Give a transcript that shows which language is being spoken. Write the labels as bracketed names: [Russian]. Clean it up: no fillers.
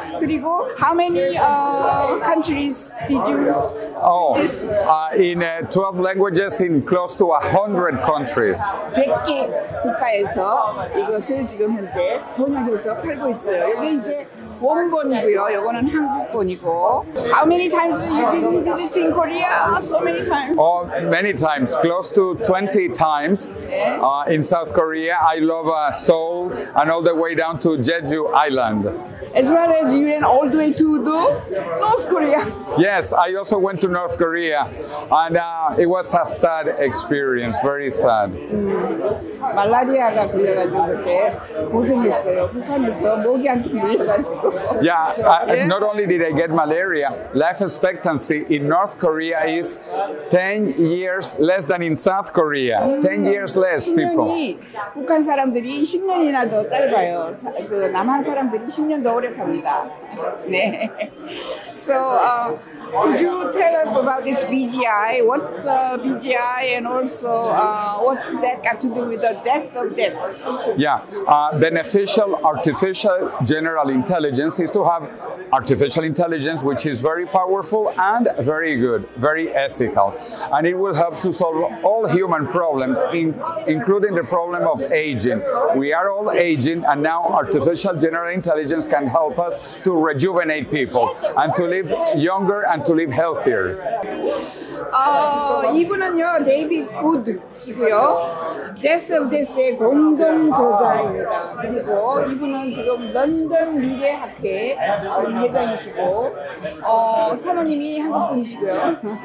[Korean] 그리고 [English] How many countries did you this? In 12 languages in close to 100 countries. [Korean] 100개 국가에서 이것을 지금 현재 번역해서 팔고 있어요. 이게 이제 원본이고요. 이거는 한국본이고. [English] How many times have you been visiting Korea? So many times. Oh, many times. Close to 20 times in South Korea. I love Seoul and all the way down to Jeju Island. As well as you went all the way to the North Korea. Yes, I also went to North Korea. And it was a sad experience, very sad. [Korean] 말라리아가 걸려가지고 고생했어요. 북한에서 목이 안 풀려가지고. [English] Yeah, not only did I get malaria, life expectancy in North Korea is 10 years less than in South Korea. 10 years less, people. [Korean] 북한 사람들이 10년이나 더 짧아요. 그 남한 사람들이 10년 더 오래 삽니다. 네. [English] So, could you tell us about this BGI? What's BGI and also what's that got to do with the death of death? Yeah, beneficial artificial general intelligence is to have artificial intelligence which is very powerful and very good, very ethical. And it will help to solve all human problems, including the problem of aging. We are all aging and now artificial general intelligence can help us to rejuvenate people and to live younger and to live healthier. [Korean] 이분은요, 데이비드 우드시고요. Death of Death의 공동 저자입니다. 그리고 이분은 지금 런던 미래학회 회장이시고 사모님이 한국 분이시고요.